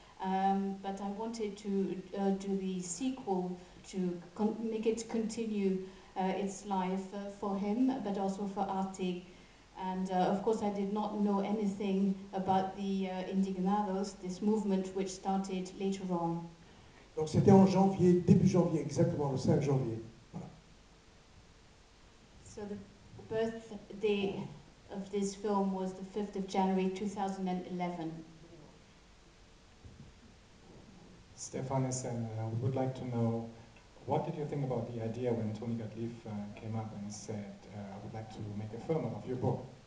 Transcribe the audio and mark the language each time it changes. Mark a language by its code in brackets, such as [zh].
[en] But I wanted to do the sequel to make it continue its life for him, but also for Arte. And of course, I did not know anything about the Indignados, this movement which started later on. [fr] Donc c'était en janvier, début janvier, exactement le 5 janvier. Voilà. [en] So the birthday of this film was the 5th of January 2011. Stéphane Hessel, we would like to know, what did you think about the idea when Tony Gottlieb came up and said, I would like to make a film of your book?